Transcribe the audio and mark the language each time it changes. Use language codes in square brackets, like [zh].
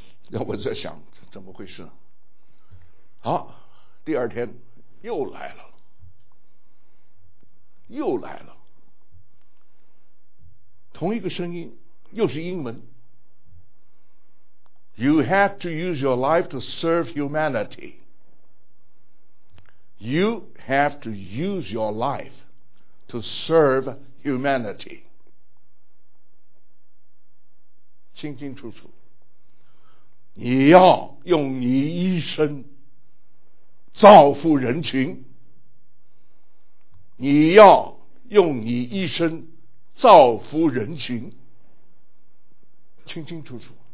[zh] 然后我在想怎么回事。好，第二天又来了，又来了，同一个声音，又是英文。 [en] You have to use your life to serve humanity. You have to use your life to serve humanity. [zh] 清清楚楚，你要用你一生造福人群，你要用你一生造福人群，清清楚楚。